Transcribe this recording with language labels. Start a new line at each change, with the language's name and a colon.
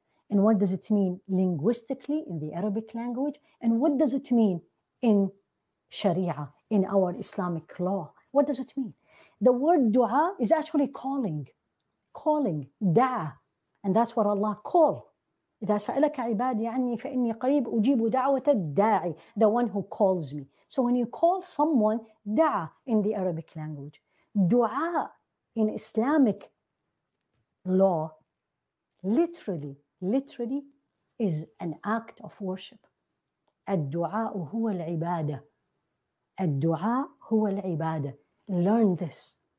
English: And what does it mean linguistically in the Arabic language? And what does it mean in Sharia, in our Islamic law? What does it mean? The word dua is actually calling. Calling, da'a. And that's what Allah call.
Arabic: إذا سألك عبادي عني فإني قريب أجيب دعوة الداعي,
English: the one who calls me. So when you call someone, da'a in the Arabic language. Dua in Islamic law, literally is an act of worship.
Arabic: الدُّعَاء هو العبادة. الدُّعَاء هو العبادة.
English: Learn this.